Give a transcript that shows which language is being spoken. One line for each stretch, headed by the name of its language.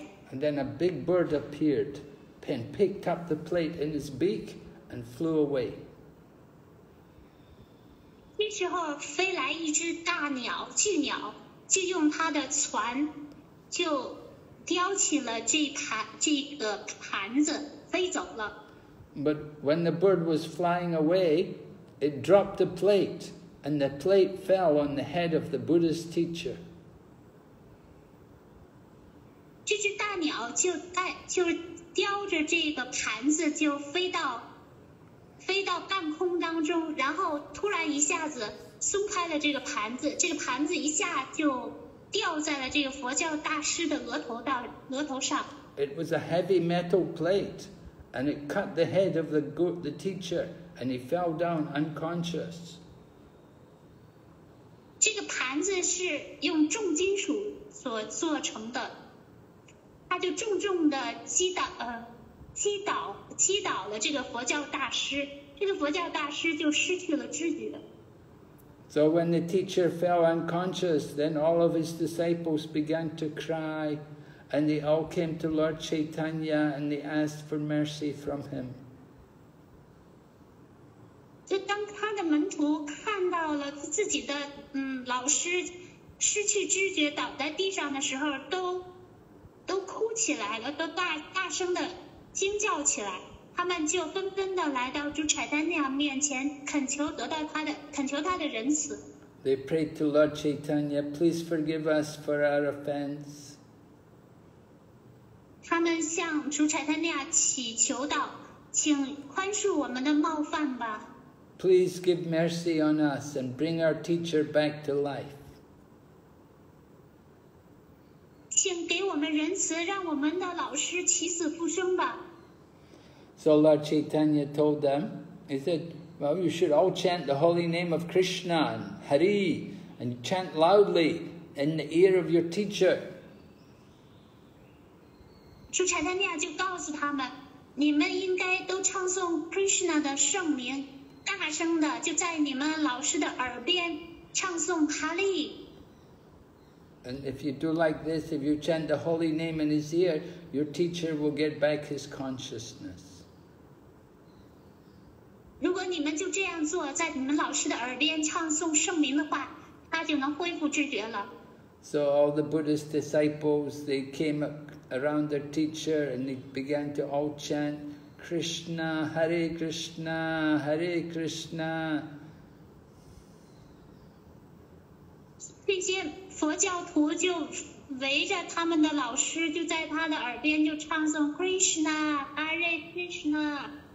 English: And then a big bird appeared and picked up the plate in his beak and flew away.
Chinese: 这时候飞来一只大鸟，巨鸟，就用它的船就叼起了这个盘子飞走了。
English: But when the bird was flying away, it dropped the plate and the plate fell on the head of the Buddhist teacher.
Chinese: 这只大鸟就叼着这个盘子就飞到半空当中，然后突然一下子松开了这个盘子，这个盘子一下就掉在了这个佛教大师的额头上。
English: It was a heavy metal plate, and it cut the head of the teacher, and he fell down unconscious.
Chinese: 这个盘子是用重金属所做成的。他就重重的击倒了这个佛教大师，这个佛教大师就失去了知觉。
English: So when the teacher fell unconscious, then all of his disciples began to cry, and they all came to Lord Chaitanya and they asked for mercy from him.
Chinese: 就当他的门徒看到了自己的老师失去知觉倒在地上的时候，都哭起来了，都大声的惊叫起来。他们就纷纷的来到主柴丹娘面前，恳求他的仁慈。
English: They prayed to Lord Chaitanya, please forgive us for our offense.
Chinese: 他们向主柴丹娘祈求道，请宽恕我们的冒犯吧。
English: Please give mercy on us and bring our teacher back to life.
Chinese: 请给我们仁慈，让我们的老师起死复生吧。
English: So Lord Chaitanya told them, he said, well, you should all chant the holy name of Krishna and Hari and chant loudly in the ear of your teacher.
Chinese: 主柴丹尼亚就告诉他们，你们应该都唱诵 Krishna 的圣名，大声的就在你们老师的耳边唱诵 Hari。
English: And if you do like this, if you chant the holy name in his ear, your teacher will get back his consciousness.
Chinese: 如果你们就这样做，在你们老师的耳边唱诵圣名的话，他就能恢复知觉了。
English: So all the Buddhist disciples, they came around their teacher and they began to all chant, Krishna, Hare Krishna, Hare Krishna.
Chinese: 这些佛教徒就围着他们的老师，就在他的耳边就唱诵 Krishna, Hare Krishna.